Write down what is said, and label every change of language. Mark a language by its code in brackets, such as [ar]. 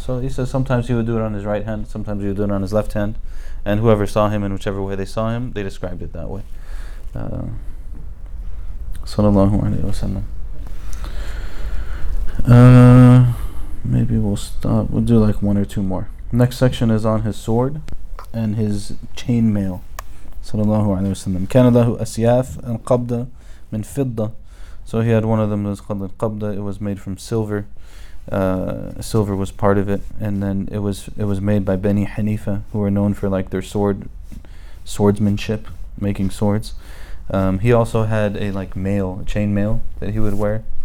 [en] So he says sometimes he would do it on his right hand, sometimes he would do it on his left hand, and whoever saw him in whichever way they saw him, they described it that way. [ar] صلى الله عليه وسلم. [en] Maybe we'll stop. We'll do like one or two more. Next section is on his sword and his chain mail. [ar] Sallallahu alayhi wa sallam. كان له أسياف القبضة من فضة. [en] So he had one of them that was called القبضة. It was made from silver. Silver was part of it. And then it was made by Bani Hanifa, who were known for like their swordsmanship, making swords. He also had a like mail, chain mail that he would wear.